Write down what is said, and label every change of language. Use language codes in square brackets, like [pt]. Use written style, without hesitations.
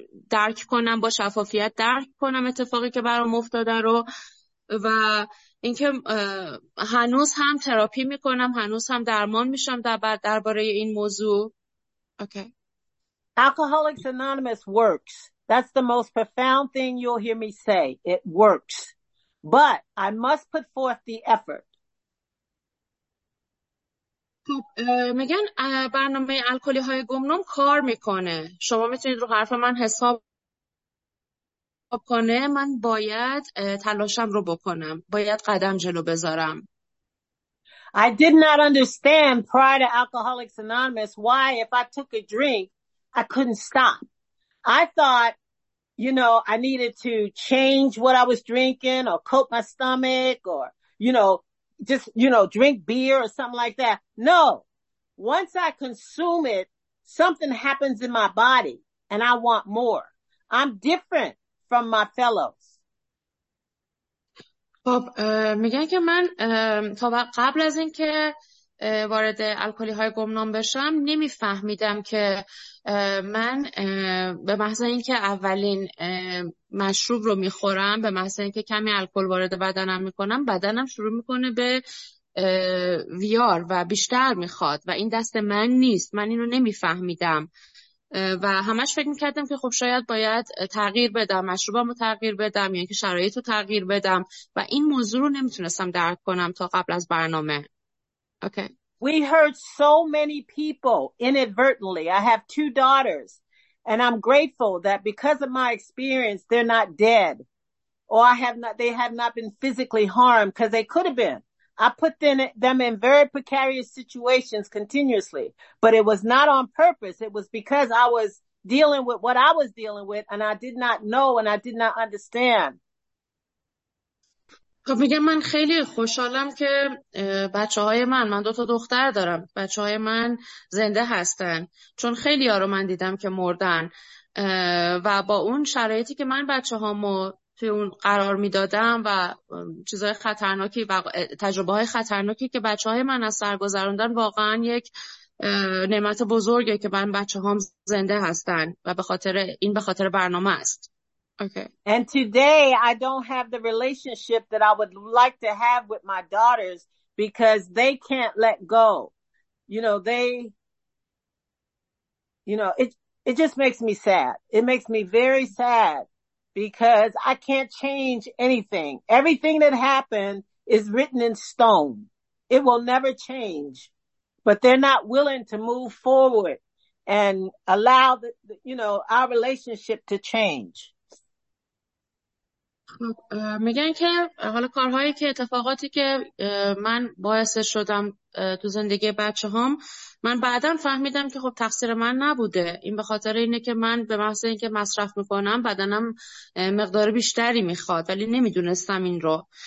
[fa] درک کنم، با شفافیت درک کنم اتفاقی که برام افتاده رو و اینکه هنوز هم تراپی میکنم، هنوز هم درمان میشم درباره این موضوع. [en] Okay. Alcoholics Anonymous works. That's the most profound thing you'll hear me say. It works. But I must put forth the effort. [fa] خب میگن برنامه الکلی های گمنام کار میکنه. شما میتونید رو حرف من حساب کنه، من باید تلاشم رو بکنم، باید قدم جلو بذارم. [en] I did not understand prior to Alcoholics Anonymous why if I took a drink I couldn't stop. I thought, you know, I needed to change what I was drinking or coat my stomach or, you know, just, you know, drink beer or something like that. No. Once I consume it, something happens in my body and I want more. I'm different from my fellows. [fa] خب میگن که من تا قبل از این که وارد الکلی های گمنام بشم نمیفهمیدم که من به محض اینکه اولین مشروب رو میخورم، به محض اینکه کمی الکل وارد بدنم میکنم، بدنم شروع میکنه به ویار و بیشتر میخواد و این دست من نیست. من اینو نمیفهمیدم و همش فکر میکردم که خب شاید باید تغییر بدم، مشروبم رو تغییر بدم یا یعنی که شرایط رو تغییر بدم و این موضوع رو نمیتونستم درک کنم تا قبل از برنامه. [en] Okay. We heard so many people inadvertently. I have 2 daughters and I'm grateful that because of my experience they're not dead. Or they have not been physically harmed because they could have been. I put them in very precarious situations continuously, but it was not on purpose. It was because I was dealing with what I was dealing with and I did not know and I did not understand. [fa] خب میگم من خیلی خوشحالم که بچه های من دو تا دختر دارم، بچه های من زنده هستن، چون خیلی ها رو من دیدم که مردن و با اون شرایطی که من بچه هامو توی اون قرار میدادم و چیزهای خطرناکی و تجربه های خطرناکی که بچه های من از سر گذروندن، واقعا یک نعمت بزرگه که من بچه هام زنده هستن و به خاطر این به خاطر برنامه است. [en] Okay. And today I don't have the relationship that I would like to have with my daughters because they can't let go. It just makes me sad. It makes me very sad because I can't change anything. Everything that happened is written in stone. It will never change. But they're not willing to move forward and allow our relationship to change. [fa] میگن که حالا کارهایی که اتفاقاتی که من باعث شدم تو زندگی بچه هام، من بعدم فهمیدم که خب تقصیر من نبوده، این به خاطر اینه که من به محض اینکه مصرف میکنم بدنم مقدار بیشتری میخواد، ولی نمیدونستم این رو.